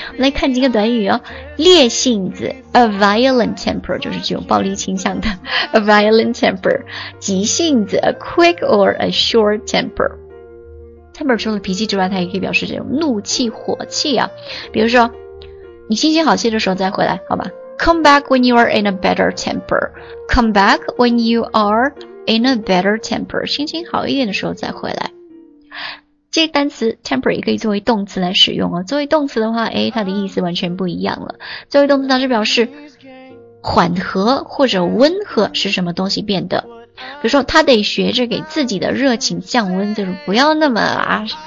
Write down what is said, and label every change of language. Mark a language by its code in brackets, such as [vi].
[zh] 来看几个短语哦，烈性子 [en] a violent temper [zh] 就是具有暴力倾向的 a violent temper， 急性子 [en] a quick or a short temper。 [zh] temper 除了脾气之外，它也可以表示这种怒气火气啊，比如说你心情好些的时候再回来，好吧？ [en] Come back when you are in a better temper. Come back when you are in a better temper. [zh] 心情好一点的时候再回来。这个单词 temper 也可以作为动词来使用哦。作为动词的话，哎，它的意思完全不一样了。作为动词，它是表示缓和或者温和，使什么东西变得。比如说，他得学着给自己的热情降温，就是不要那么啊。